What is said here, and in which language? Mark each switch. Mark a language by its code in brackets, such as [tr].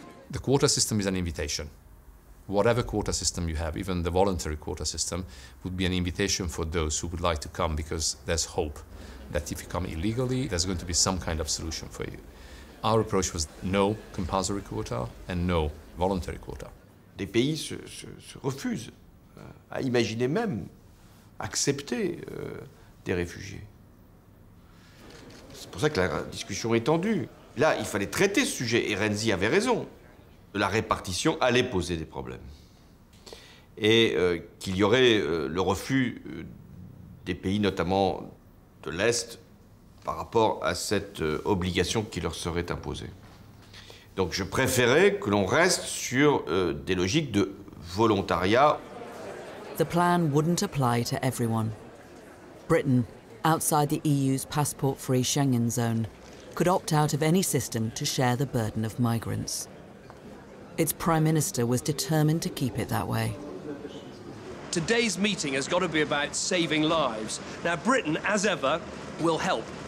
[en] The quota system is an invitation. Whatever quota system you have, even the voluntary quota system, would be an invitation for those who would like to come, because there's hope that if you come illegally, there's going to be some kind of solution for you. Our approach was no compulsory quota and no voluntary quota. [fr] Des pays se refusent à imaginer même accepter des réfugiés. C'est pour ça que la discussion est tendue. Là, il fallait traiter ce sujet et Renzi avait raison. La répartition allait poser des problèmes. Et qu'il y aurait le refus des pays, notamment de l'Est, par rapport à cette obligation qui leur serait imposée. Donc je préférais que l'on reste sur des logiques de volontariat. [en] The plan wouldn't apply to everyone. Britain, outside the EU's passport-free Schengen zone, could opt out of any system to share the burden of migrants. Its prime minister was determined to keep it that way. Today's meeting has got to be about saving lives. Now, Britain, as ever, will help.